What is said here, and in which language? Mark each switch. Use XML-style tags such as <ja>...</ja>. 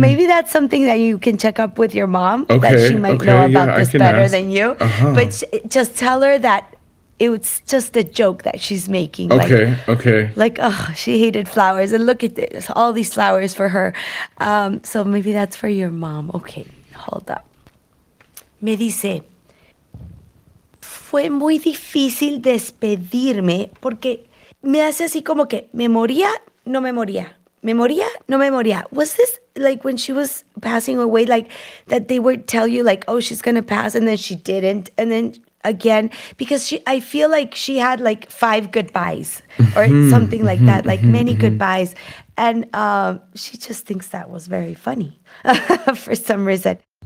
<en>maybe that's something that you can check up with your mom, okay. that she might know about this better than you. Uh-huh. But just tell her that it's just a joke that she's making. Okay. Like, oh, she hated flowers. And look at this, all these flowers for her. So maybe that's for your mom. Okay, hold up.</en> <es>Me dice, fue muy difícil despedirme porque me hace así como que me moría, no me moría. Me moría, no me moría.</es> <en>Was this like when she was passing away, like that they would tell you like, oh, she's going to pass and then she didn't and then... Again, because I feel like she had like 5 goodbyes or something like that, like many goodbyes. And she just thinks that was very funny for some reason.</en>